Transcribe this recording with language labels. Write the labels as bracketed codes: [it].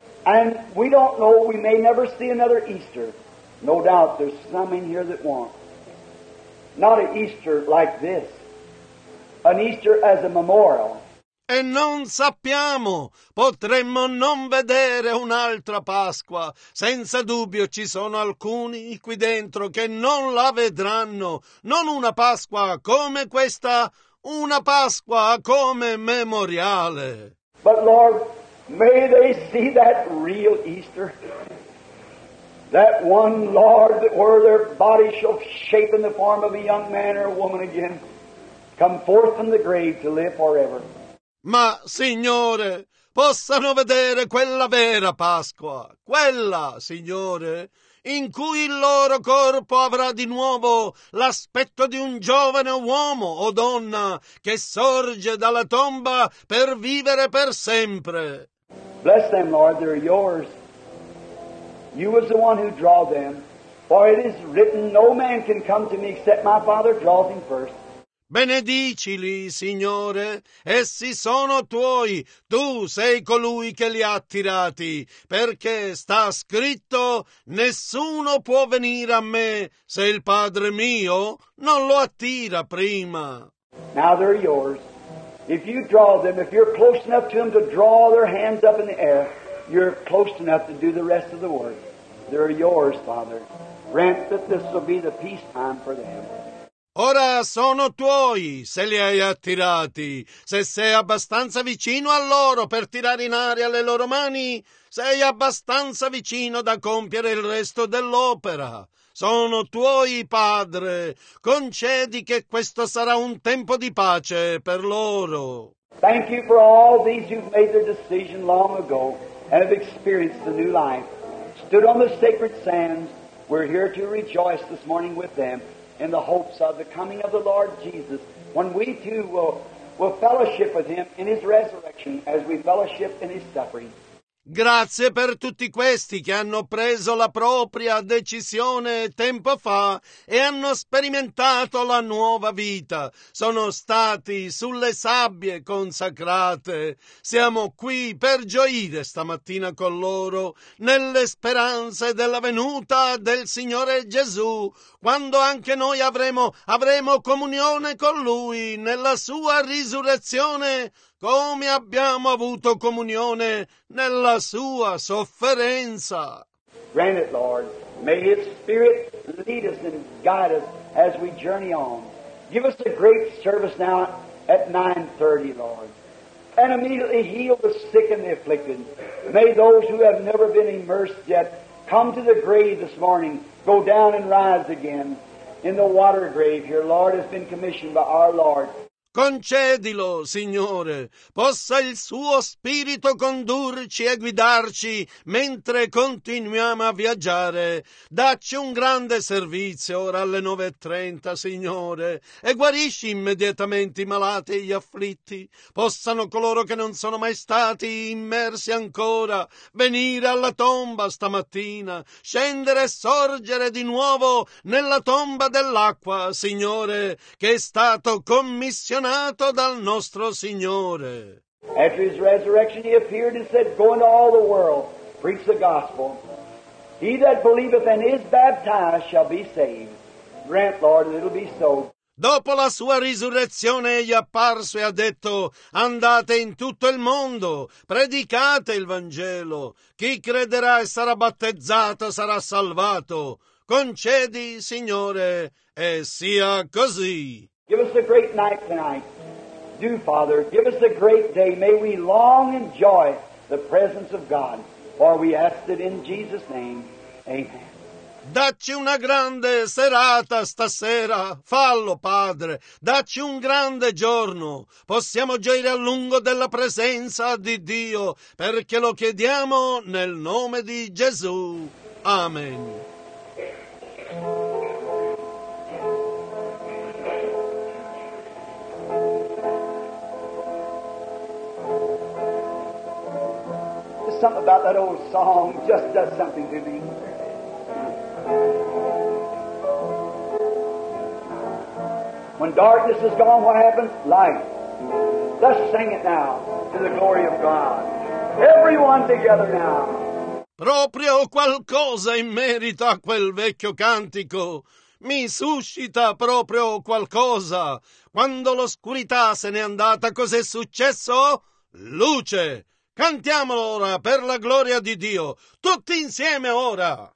[en] And we don't know. We may never see another Easter. No doubt there's some in here that want. Not an Easter like this. An Easter as a memorial. [it] E non sappiamo, potremmo non vedere un'altra Pasqua. Senza dubbio ci sono alcuni qui dentro che non la vedranno. Non una Pasqua come questa, una Pasqua come memoriale. [en] But Lord, may they see that real Easter. That one, Lord, where their body shall shape in the form of a young man or a woman again, come forth from the grave to live forever. [it] Ma, Signore, possano vedere quella vera Pasqua, quella, Signore, in cui il loro corpo avrà di nuovo l'aspetto di un giovane uomo o donna che sorge dalla tomba per vivere per sempre. [en] Bless them, Lord, they're yours. You was the one who draw them. For it is written, no man can come to me except my Father draws him first. [it] Benedicili, Signore, essi sono tuoi, tu sei colui che li ha attirati, perché sta scritto, nessuno può venire a me se il Padre mio non lo attira prima. [en] Now they're yours. If you draw them, if you're close enough to them to draw their hands up in the air, you're close enough to do the rest of the work. They're yours, Father. Grant that this will be the peace time for them. [it] Ora sono tuoi se li hai attirati, se sei abbastanza vicino a loro per tirare in aria le loro mani, sei abbastanza vicino da compiere il resto dell'opera. Sono tuoi, Padre, concedi che questo sarà un tempo di pace per loro. [en] Thank you for all these who've made their decision long ago and have experienced the new life, stood on the sacred sands. We're here to rejoice this morning with them. In the hopes of the coming of the Lord Jesus, when we too will fellowship with him in his resurrection as we fellowship in his suffering. [it] Grazie per tutti questi che hanno preso la propria decisione tempo fa e hanno sperimentato la nuova vita. Sono stati sulle sabbie consacrate. Siamo qui per gioire stamattina con loro nelle speranze della venuta del Signore Gesù, quando anche noi avremo comunione con Lui nella Sua risurrezione, come abbiamo avuto comunione nella sua sofferenza. [en] Grant it, Lord. May His Spirit lead us and guide us as we journey on. Give us a great service now at 9:30, Lord. And immediately heal the sick and the afflicted. May those who have never been immersed yet come to the grave this morning, go down and rise again in the water grave. Your Lord has been commissioned by our Lord. [it] Concedilo, Signore, possa il suo spirito condurci e guidarci mentre continuiamo a viaggiare. Dacci un grande servizio ora alle 9:30, Signore, e guarisci immediatamente i malati e gli afflitti. Possano coloro che non sono mai stati immersi ancora venire alla tomba stamattina, scendere e sorgere di nuovo nella tomba dell'acqua, Signore, che è stato commissionato nato dal nostro Signore. [en] After his resurrection he appeared and said, go into all the world, preach the gospel. He that believeth and is baptized shall be saved. Grant, Lord, that it'll be so. [it] Dopo la sua risurrezione egli è apparso e ha detto, andate in tutto il mondo, predicate il Vangelo. Chi crederà e sarà battezzato sarà salvato. Concedi, Signore, e sia così. [en] Give us a great night tonight. Do, Father, give us a great day. May we long enjoy the presence of God. For we ask it in Jesus' name. Amen. [it] Dacci una grande serata stasera. Fallo, Padre. Dacci un grande giorno. Possiamo gioire a lungo della presenza di Dio, perché lo chiediamo nel nome di Gesù. Amen. [en] Something about that old song just does something to me. When darkness is gone, what happens? Light. Let's sing it now to the glory of God. Everyone together now. [it] Proprio qualcosa in merito a quel vecchio cantico. Mi suscita proprio qualcosa. Quando l'oscurità se n'è andata, cos'è successo? Luce! Cantiamolo ora per la gloria di Dio, tutti insieme ora!